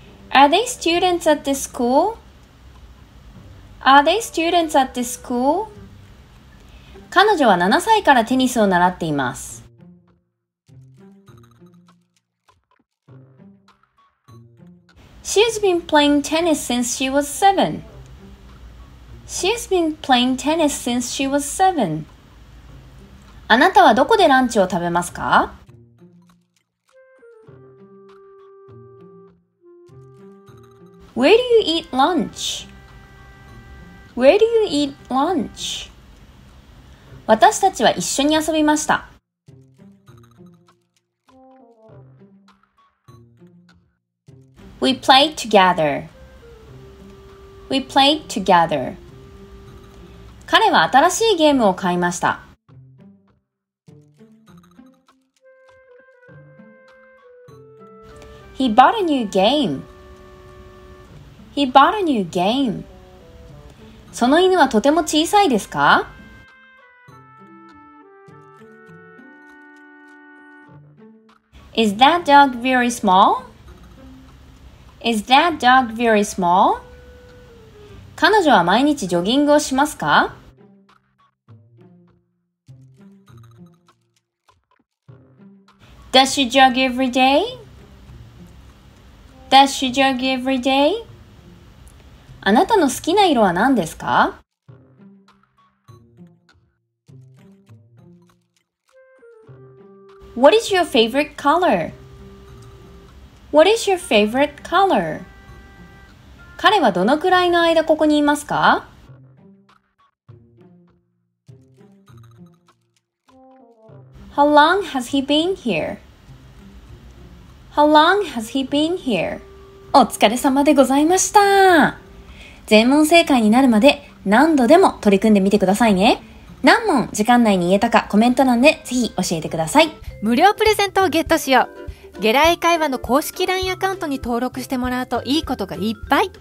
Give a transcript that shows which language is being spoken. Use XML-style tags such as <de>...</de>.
<en>Are they students at this school? Are they students at this school?</en> <ja>彼女は7歳からテニスを習っています。</ja> <en>She's been playing tennis since she was 7. She has been playing tennis since she was 7.</en> <ja>あなたはどこでランチを食べますか?</ja> <en>Where do you eat lunch? Where do you eat lunch?</en> <ja>私たちは一緒に遊びました。</ja> <en>We played together. We played together.</en> <ja>彼は新しいゲームを買いました。</ja> <en>He bought a new game. He bought a new game.</en> <ja>その犬はとても小さいですか？</ja> <en>Is that dog very small? Is that dog very small?</en> <ja>彼女は毎日ジョギングをしますか？</ja> <en>Does she jog every day? Does she jog every day?</en> <ja>あなたの好きな色は何ですか？</ja> <en>What is your favorite color? What is your favorite color?</en> <ja>彼はどのくらいの間ここにいますか？</ja> <en>How long has he been here? How long has he been here?</en> <ja>お疲れ様でございました。全問正解になるまで何度でも取り組んでみてくださいね。何問時間内に言えたかコメント欄でぜひ教えてください。無料プレゼントをゲットしよう。ゲラ英会話の公式 LINE アカウントに登録してもらうといいことがいっぱい。</ja>